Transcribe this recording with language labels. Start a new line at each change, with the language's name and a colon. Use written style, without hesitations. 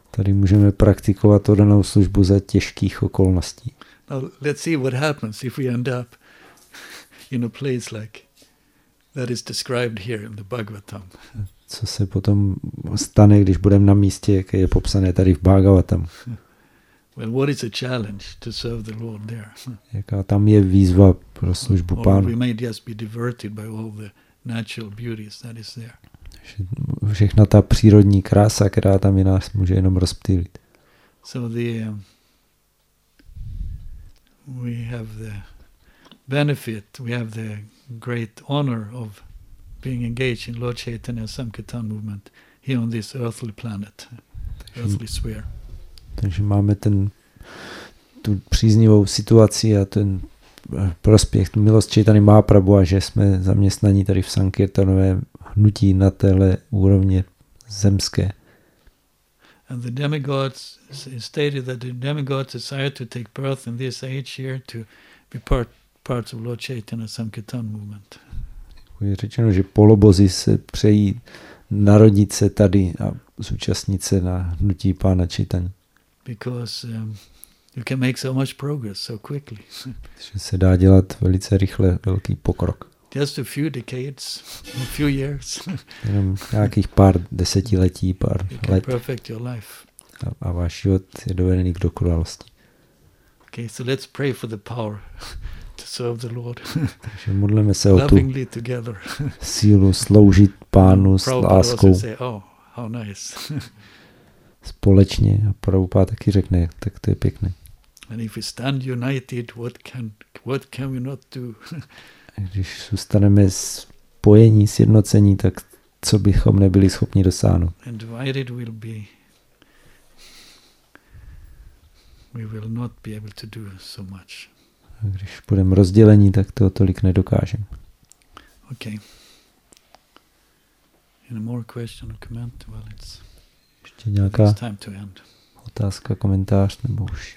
Czech: Tady můžeme praktikovat oddanou službu za těžkých okolností.
English: Now, let's see what happens if we end up in a place like that is described here in the Bhagavatam.
Czech: Co se potom stane, když budeme na místě, jak je popsané tady v Bhagavatam?
English: Well, what is the challenge to serve the Lord there?
Czech: Jaká tam je výzva pro službu Pánu?
English: We may just be diverted by all the natural beauties that is there.
Czech: Všechna ta přírodní krása, která tam je, nás může jenom rozptýlit.
English: So the we have the benefit, we have the great honor of being engaged in Lord Chaitanya Samkirtan movement here on this earthly planet, earthly sphere.
Czech: Takže máme ten tu příznivou situaci a ten prospěch, tu milost Chaitany Mahaprabhu, a že jsme zaměstnaní tady v Sankirtanové hnutí na téhle úrovni zemské.
English: And the demigods stated that the demigods desire to take birth in this age here to be part of Lord Chaitanya Samkirtan movement.
Czech: Je řečeno, že polobozy se přejí narodit se tady a zúčastnit se na hnutí Pána Chaitany.
English: Because you can make so much progress so quickly.
Czech: Že se dá dělat velice rychle velký pokrok.
English: Just a few decades, a few years.
Czech: Jenom nějakých pár desetiletí, pár let.
English: You can perfect your life.
Czech: A váš život je dovedený k dokonalosti.
English: Okay, so let's pray for the power to serve the Lord.
Czech: Takže modleme se o tu
English: lovingly together.
Czech: Sílu sloužit Pánu s láskou.
English: Say, oh, how nice.
Czech: Společně, a Prabhupada taky řekne, tak to je pěkné.
English: And if we stand united, what can we not do?
Czech: Když zůstaneme spojení, sjednocení, tak co bychom nebyli schopni dosáhnout?
English: And divided we'll be, we will not be able to do so much.
Czech: A když budeme rozdělení, tak to tolik nedokážeme.
English: Okay. Any more question or comment? Well, it's
Czech: ještě nějaká
English: it's time to end.
Czech: Otázka, komentář, nebo už?